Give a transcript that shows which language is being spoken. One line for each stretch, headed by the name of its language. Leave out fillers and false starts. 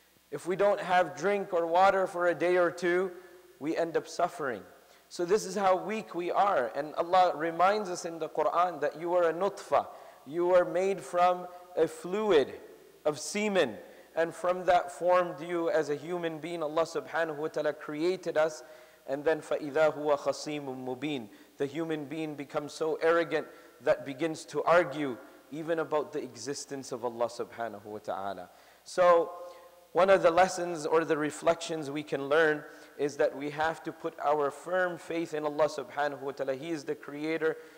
English: If we don't have drink or water for a day or two, we end up suffering. So this is how weak we are. And Allah reminds us in the Quran that you are a nutfa. You are made from a fluid of semen. And from that formed you as a human being. Allah subhanahu wa ta'ala created us. And then
Arabic: فَإِذَا هُوَ خَصِيمٌ مُّبِينٌ.
English: The human being becomes so arrogant that begins to argue even about the existence of Allah subhanahu wa ta'ala. So one of the lessons or the reflections we can learn is that we have to put our firm faith in Allah subhanahu wa ta'ala. He is the creator.